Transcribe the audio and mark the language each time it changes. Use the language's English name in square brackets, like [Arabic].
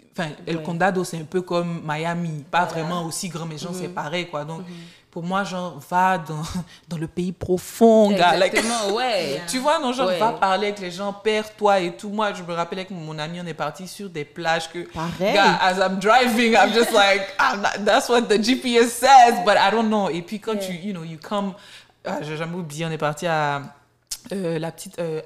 [French] Enfin, El Condado, c'est un peu comme Miami. Pas vraiment aussi grand, mais genre, c'est pareil, quoi. Donc, pour moi, genre, va dans le pays profond, gars. Exactement, ouais. Tu vois, non, genre, va parler avec les gens, perds-toi et tout. Moi, je me rappelle avec mon ami, on est parti sur des plages que... Pareil. [English] Gars, as I'm driving, I'm just like, I'm not, that's what the GPS says, but I don't know. [French] Et puis quand tu, [English] you know, you come... [French] Ah, j'ai jamais oublié, on est parti à la petite...